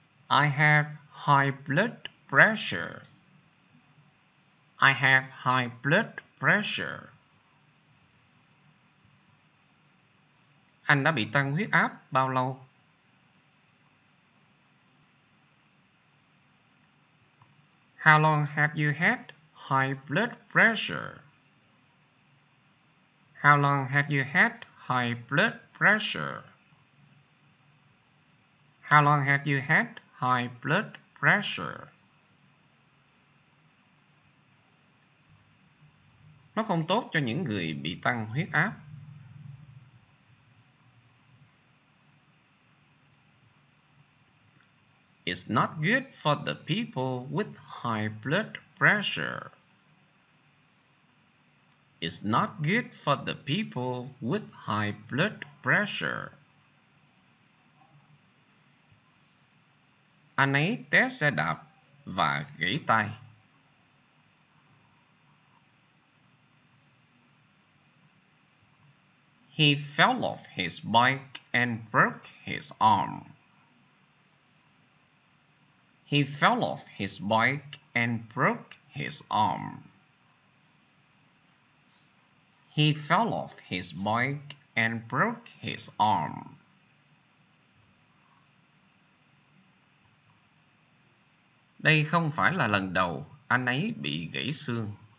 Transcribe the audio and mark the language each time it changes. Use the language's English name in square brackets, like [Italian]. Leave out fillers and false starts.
[English] I have high blood pressure. I have high blood pressure. [Vietnamese] Anh đã bị tăng huyết áp bao lâu? [English] How long have you had high blood pressure? How long have you had high blood pressure? How long have you had high blood pressure? [Vietnamese] Nó không tốt cho những người bị tăng huyết áp. [English] It's not good for the people with high blood pressure. It's not good for the people with high blood pressure. [Vietnamese] Anh ấy té xe đạp và gãy tay. [English] He fell off his bike and broke his arm. He fell off his bike and broke his arm. He fell off his bike and broke his arm. [Vietnamese] Đây không phải là lần đầu anh ấy bị gãy xương.